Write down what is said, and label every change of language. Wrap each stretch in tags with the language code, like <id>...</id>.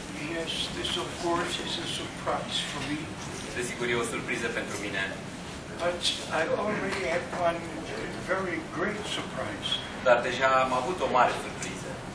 <en>Yes, this of course is a surprise for me.</en> <ro>De sigur e o surpriză pentru mine.</ro> <en>But I already had one very great surprise.</en> <ro>Dar deja am avut o mare surpriză.</ro>